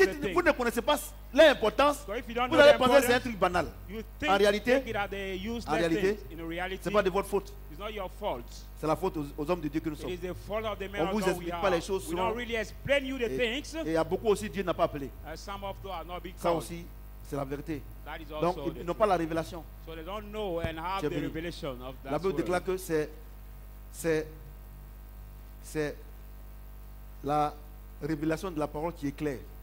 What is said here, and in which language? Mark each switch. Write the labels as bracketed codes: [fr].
[fr] que si vous ne connaissez pas l'importance, vous allez penser que c'est un truc banal. En réalité, ce n'est pas de votre faute. [en] It's not your fault. [fr] C'est la faute aux hommes de Dieu que nous sommes. [en] It is the fault of the men [fr] on ne vous explique pas les choses. [en] We don't really explain you the things. [fr] Et il y a beaucoup aussi, Dieu n'a pas appelé. [en] Some of them are not being called. [fr] Ça aussi, c'est la vérité. [en] That is also [fr] donc, ils n'ont pas la révélation. [en] So they don't know and have the revelation of that [fr] la Bible [en] word. [fr] Déclare que c'est la révélation de la parole qui est claire.